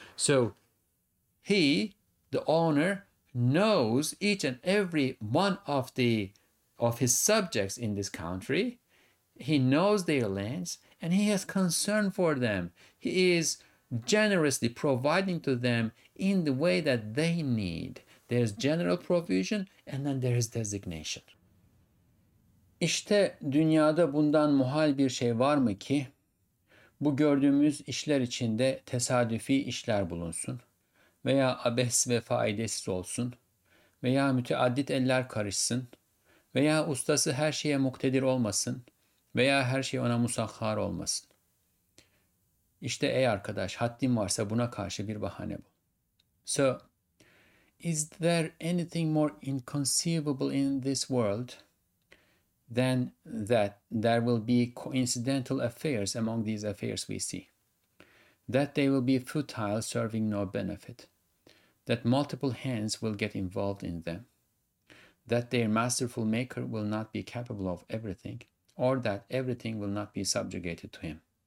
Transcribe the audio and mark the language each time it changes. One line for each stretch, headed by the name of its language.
English: So he, the owner, knows each and every one of the of his subjects in this country. He knows their lands, and he has concern for them. He is generously providing to them in the way that they need. There's general provision, and then there is designation.
Turkish: İşte dünyada bundan muhal bir şey var mı ki? Bu gördüğümüz işler içinde tesadüfi işler bulunsun veya abes ve faidesiz olsun veya müteaddit eller karışsın veya ustası her şeye muktedir olmasın veya her şey ona musahhar olmasın. İşte ey arkadaş, haddin varsa buna karşı bir bahane bul.
English: So, is there anything more inconceivable in this world than that there will be coincidental affairs among these affairs we see, that they will be futile, serving no benefit, that multiple hands will get involved in them, that their masterful maker will not be capable of everything, or that everything will not be subjugated to him.